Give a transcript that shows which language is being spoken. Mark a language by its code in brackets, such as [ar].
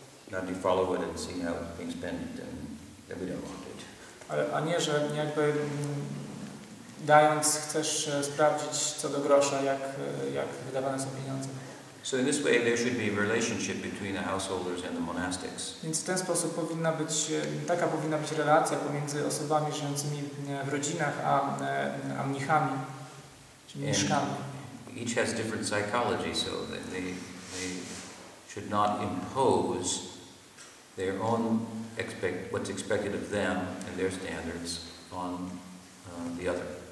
[en] Not to follow it and see how things bend and then we don't want it. [pl] A nie, że jakby dając, chcesz sprawdzić co do grosza, jak wydawane są pieniądze. [en] So in this way there should be a relationship between the householders and the monastics. [pl] Więc w ten sposób taka powinna być relacja pomiędzy osobami żyjącymi w rodzinach a mnichami, czy mieszkami. [en] Each has different psychology, so they should not impose their own what's expected of them and their standards on the other.